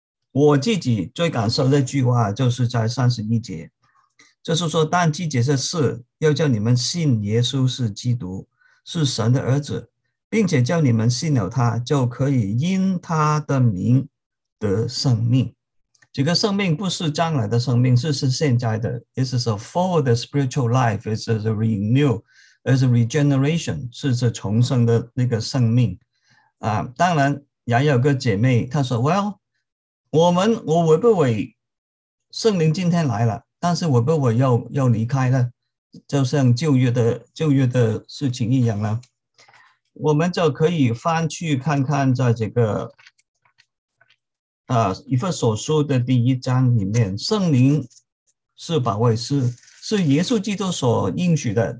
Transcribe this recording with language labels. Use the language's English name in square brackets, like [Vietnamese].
[Chinese] 我自己最感受的那句话就是在31节，就是说但既解释是要叫你们信耶稣是基督，是神的儿子，并且叫你们信了他，就可以因他的名得生命。这个生命不是将来的生命，是现在的。 [English] This is a forward spiritual life. It's a renew, it's a regeneration. [Chinese] 是这重生的那个生命。啊，当然，也有个姐妹她说 ，Well, 我会不会圣灵今天来了，但是会不会要离开呢？就像旧约的事情一样呢？我们就可以翻去看看，在这个以弗所书的第一章里面，圣灵是保卫师，是耶稣基督所应许的。